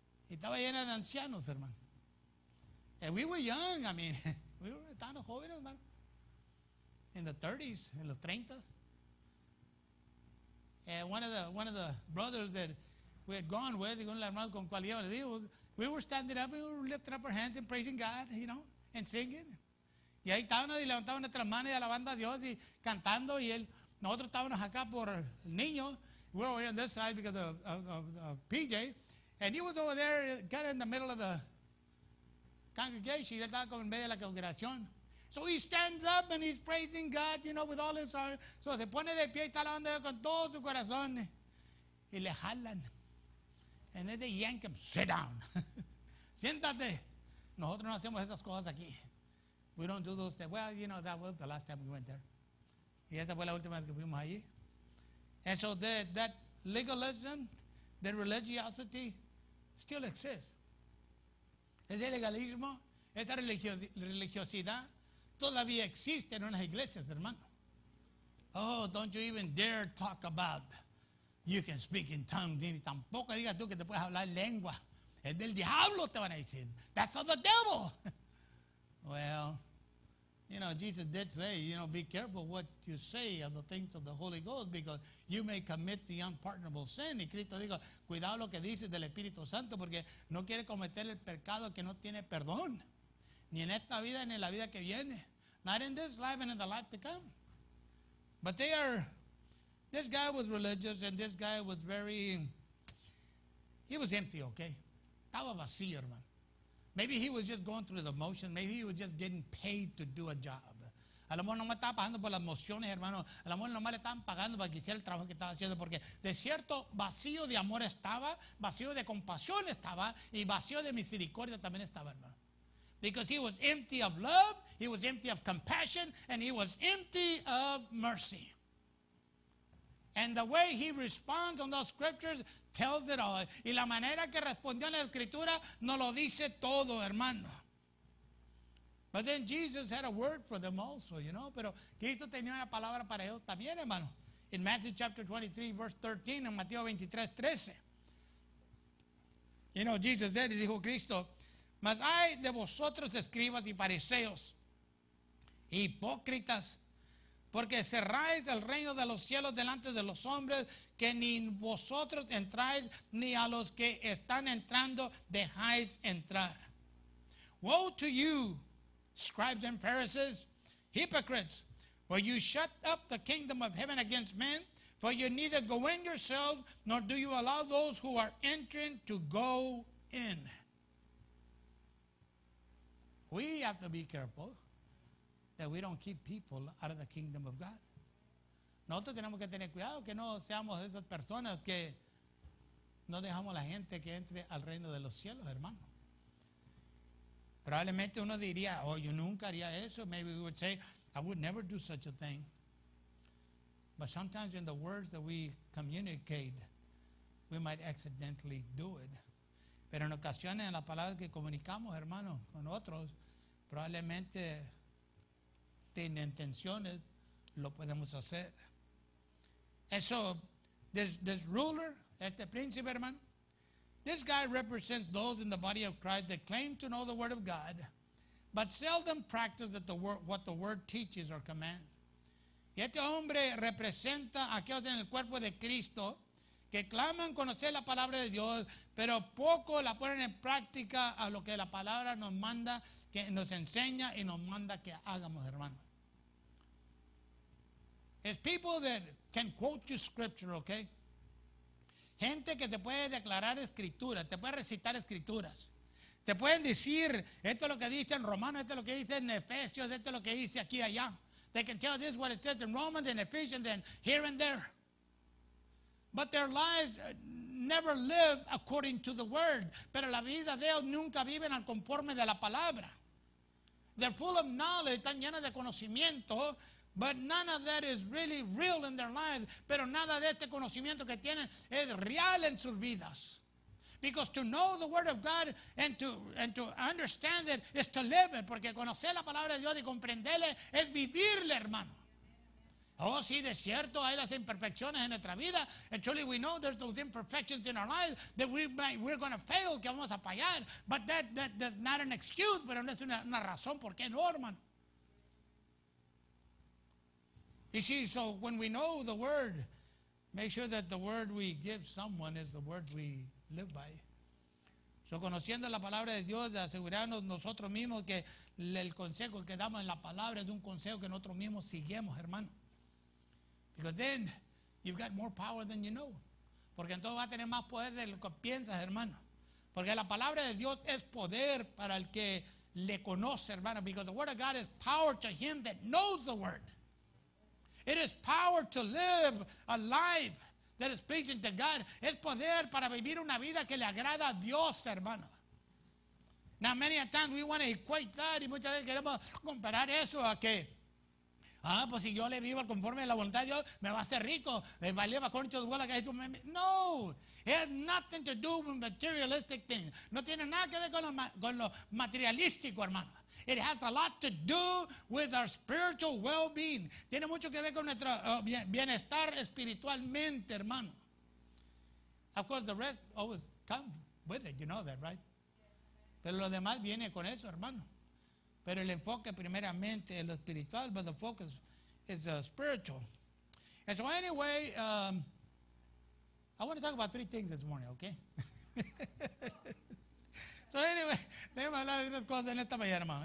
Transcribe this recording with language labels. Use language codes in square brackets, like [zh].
[es] Y estaba llena de ancianos, hermano. [en] And we were young, I mean, we were [es] tan jóvenes, [en] man. In the 30s, [es] en los 30s. [en] And one of the brothers that we had gone with, [es] con la hermana con cual iba, le digo, [en] we were standing up, we were lifting up our hands and praising God, you know, and singing. [es] Y ahí estábamos y levantábamos nuestras manos y alabando a Dios y cantando. Y él, nosotros estábamos acá por el niño. [en] We were over on this side because of PJ. And he was over there kind of in the middle of the congregation. [es] Él estaba como en medio de la congregación. [en] So he stands up and he's praising God, you know, with all his heart. [es] So se pone de pie y está alabando a Dios con todo su corazón. Y le jalan. [en] And then they yank him, sit down. [es] Siéntate. Nosotros no hacemos esas cosas aquí. [en] We don't do those things. Well, you know, that was the last time we went there. [es] Y esta fue la última vez que fuimos allí. [en] And so that legalism, that religiosity still exists. [es] Ese legalismo, esa religiosidad todavía existe en unas iglesias, hermano. [en] Oh, don't you even dare talk about you can speak in tongues. [es] Ni tampoco digas tú que te puedes hablar lengua. Es del diablo, te van a decir. [en] That's of the devil. Well, you know, Jesus did say, you know, be careful what you say of the things of the Holy Ghost because you may commit the unpardonable sin. [es] Y Cristo dijo, cuidado lo que dices del Espíritu Santo porque no quiere cometer el pecado que no tiene perdón. Ni en esta vida ni en la vida que viene. [en] Not in this life and in the life to come. But they are... This guy was religious, and this guy was he was empty, okay? [es] Estaba vacío, hermano. [en] Maybe he was just going through the motions. Maybe he was just getting paid to do a job. [es] A lo mejor no me estaba pagando por las mociones, hermano. A lo mejor no me le estaban pagando para que hiciera el trabajo que estaba haciendo, porque de cierto, vacío de amor estaba, vacío de compasión estaba, y vacío de misericordia también estaba, hermano. [en] Because he was empty of love, he was empty of compassion, and he was empty of mercy. And the way he responds on those scriptures tells it all. [es] Y la manera que respondió en la escritura no lo dice todo, hermano. [en] But then Jesus had a word for them also, you know. [es] Pero Cristo tenía una palabra para ellos también, hermano. [en] In Matthew chapter 23, verse 13, [es] en Mateo 23, 13. [en] You know, Jesus said, [es] y dijo Cristo, mas hay de vosotros escribas y fariseos, hipócritas, porque cerráis el reino de los cielos delante de los hombres, que ni vosotros entráis, ni a los que están entrando dejáis entrar. [en] Woe to you, scribes and Pharisees, hypocrites, for you shut up the kingdom of heaven against men, for you neither go in yourselves, nor do you allow those who are entering to go in. We have to be careful that we don't keep people out of the kingdom of God. [es] Nosotros tenemos que tener cuidado que no seamos esas personas que no dejamos la gente que entre al reino de los cielos, hermano. Probablemente uno diría, oh, yo nunca haría eso. [en] Maybe we would say, I would never do such a thing. But sometimes in the words that we communicate, we might accidentally do it. [es] Pero en ocasiones en las palabras que comunicamos, hermano, con otros, probablemente sin intenciones lo podemos hacer. [en] And so, this ruler, [es] este príncipe, hermano, [en] this guy represents those in the body of Christ that claim to know the word of God, but seldom practice what the word teaches or commands. [es] Y este hombre representa a aquellos en el cuerpo de Cristo que claman conocer la palabra de Dios, pero poco la ponen en práctica a lo que la palabra nos manda, que nos enseña y nos manda que hagamos, hermano. [en] It's people that can quote you scripture, okay? [es] Gente que te puede declarar escritura, te puede recitar escrituras. Te pueden decir, esto es lo que dice en Romanos, esto es lo que dice en Efesios, esto es lo que dice aquí y allá. [en] They can tell this what it says in Romans and Ephesians and here and there. But their lives never live according to the word. [es] Pero la vida de ellos nunca viven al conforme de la palabra. [en] They're full of knowledge, [es] están llenas de conocimiento. [en] But none of that is really real in their lives. [es] Pero nada de este conocimiento que tienen es real en sus vidas. [en] Because to know the word of God and to understand it is to live it. [es] Porque conocer la palabra de Dios y comprenderle es vivirle, hermano. Oh, sí, de cierto, hay las imperfecciones en nuestra vida. [en] And truly we know there's those imperfections in our lives that we're going to fail, [es] que vamos a fallar. [en] But that's not an excuse, [es] pero no es una razón por qué no, hermano. [en] You see, so when we know the word, make sure that the word we give someone is the word we live by. [es] So conociendo la palabra de Dios, asegurarnos nosotros mismos que el consejo que damos en la palabra es un consejo que nosotros mismos seguimos, hermano. [en] Because then you've got more power than you know. [es] Porque entonces va a tener más poder de lo que piensas, hermano. Porque la palabra de Dios es poder para el que le conoce, hermano. [en] Because the word of God is power to him that knows the word. It is power to live a life that is pleasing to God. [es] Es poder para vivir una vida que le agrada a Dios, hermano. [en] Now, many a time we want to equate that, [es] y muchas veces queremos comparar eso a que, ah, pues si yo le vivo conforme a la voluntad de Dios, me va a hacer rico. Me va a llevar con todo lo que ha hecho. [en] No, it has nothing to do with materialistic things. [es] No tiene nada que ver con lo materialístico, hermano. [en] It has a lot to do with our spiritual well-being. [es] Tiene mucho que ver con nuestro bienestar espiritualmente, hermano. [en] Of course, the rest always come with it. You know that, right? [es] Pero lo demás viene con eso, hermano. Pero el enfoque primeramente es lo espiritual, [en] but the focus is the spiritual. And so anyway, I want to talk about three things this morning, okay? [es] So anyway, déjame hablar de unas cosas en esta mañana, hermano.